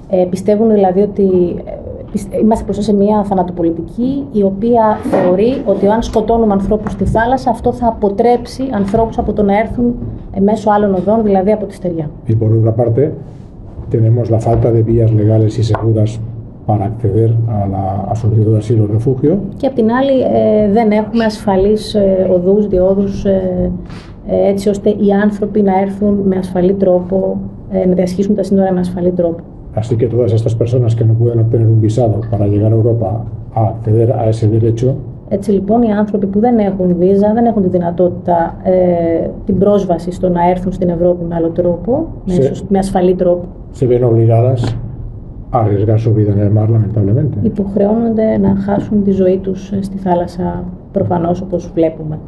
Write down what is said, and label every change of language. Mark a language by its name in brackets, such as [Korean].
[Greek] Πιστεύουν δηλαδή ότι είμαστε προς σε μια θανατοπολιτική η οποία θεωρεί ότι αν σκοτώνουμε ανθρώπους στη θάλασσα αυτό θα αποτρέψει ανθρώπους από το να έρθουν μέσω άλλων οδών, δηλαδή από τη στεριά. [Spanish] Y por otra parte, tenemos la falta de vías legales y seguras para acceder a solicitud de asilo refugio. [Greek] Και απ' την άλλη, δεν έχουμε ασφαλείς οδούς, διόδους, έτσι ώστε οι άνθρωποι να έρθουν με ασφαλή τρόπο, να διασχίσουν τα σύνορα με ασφαλή τρόπο. [Spanish] Así que todas estas personas que no pueden obtener un visado para llegar a Europa a acceder a ese derecho. [Greek] Έτσι λοιπόν, οι άνθρωποι που δεν έχουν βίζα, δεν έχουν τη δυνατότητα την πρόσβαση στο να έρθουν στην Ευρώπη με άλλο τρόπο, με ασφαλή τρόπο. [Spanish] Se ven obligadas a arriesgar su vida en el mar, lamentablemente. [Greek] Υποχρεώνονται να χάσουν τη ζωή τους στη θάλασσα, προφανώς, όπως βλέπουμε.